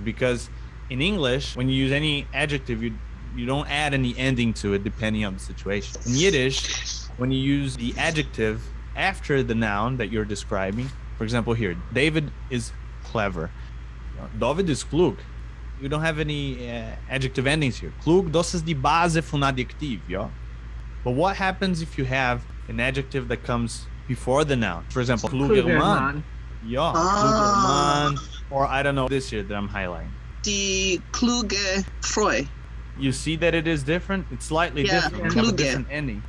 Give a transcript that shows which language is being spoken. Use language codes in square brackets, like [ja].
[en] Because in English, when you use any adjective, you don't add any ending to it depending on the situation. In Yiddish, when you use the adjective after the noun that you're describing, for example here, David is clever. [yi] David is klug. [en] You don't have any adjective endings here. [de] Klug, das ist die Base von Adjektiv, ja? [en] But what happens if you have an adjective that comes before the noun? For example, [de] kluger Mann. Ja, kluger Mann. [en] Or I don't know, this here that I'm highlighting. [de] Die kluge Frau. [en] You see that it is different? It's slightly different. Yeah, kluge. Have a different ending.